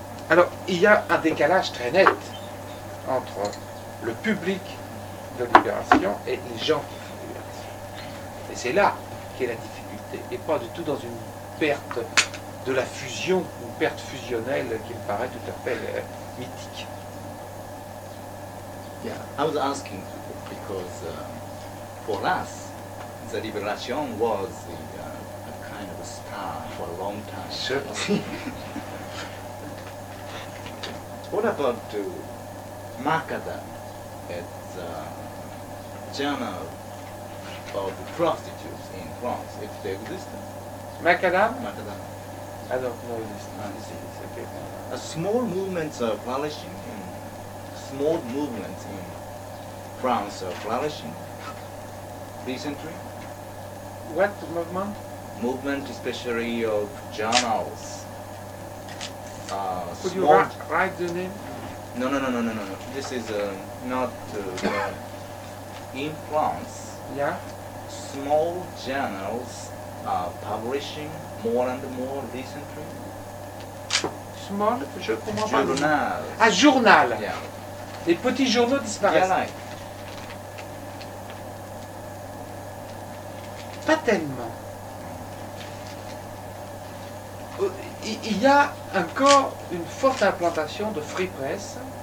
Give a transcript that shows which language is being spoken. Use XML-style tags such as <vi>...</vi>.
<fr>Alors, il y a un décalage très net entre le public de libération et les gens qui font libération. Et c'est là qu'est la difficulté, et pas du tout dans une perte de la fusion, une perte fusionnelle qui me paraît tout à fait mythique.</fr> <en>Yeah, I was asking. Because for us, the liberation was a kind of a star for a long time. Certainly. What about Makada at the Journal of Prostitutes in France, if they exist? Makada? I don't know this. A small movement are flourishing, small movements in France are flourishing recently. What movement? Movement, especially of journals. Could you write the name? No. This is not in France. Yeah. Small journals are publishing more and more recently.</en> <fr>Small? Je comprends pas.</fr> <en>Journal.</en> <fr>Ah, journal.</fr> <en>Yeah.</en> <fr>Les petits journaux disparaissent.</fr> <en>Yeah, like.</en> <fr>Pas tellement. Il y a encore une forte implantation de Free Press.</fr>